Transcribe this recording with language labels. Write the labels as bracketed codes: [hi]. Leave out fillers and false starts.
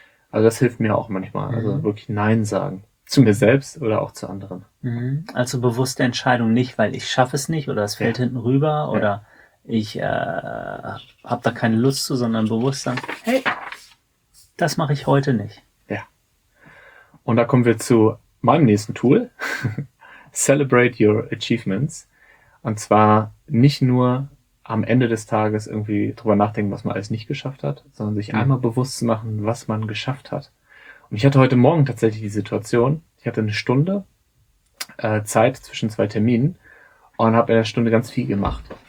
[de] Also das hilft mir auch manchmal, also wirklich Nein sagen zu mir selbst oder auch zu anderen. Also bewusste Entscheidung nicht, weil ich schaffe es nicht oder es fällt hinten rüber oder ich habe da keine Lust zu, sondern bewusst sagen, hey, das mache ich heute nicht. Ja. Und da kommen wir zu meinem nächsten Tool. [en] Celebrate your achievements. [de] Und zwar nicht nur am Ende des Tages irgendwie drüber nachdenken, was man alles nicht geschafft hat, sondern sich einmal bewusst zu machen, was man geschafft hat. Und ich hatte heute Morgen tatsächlich die Situation, ich hatte eine Stunde Zeit zwischen 2 Terminen und habe in der Stunde ganz viel gemacht.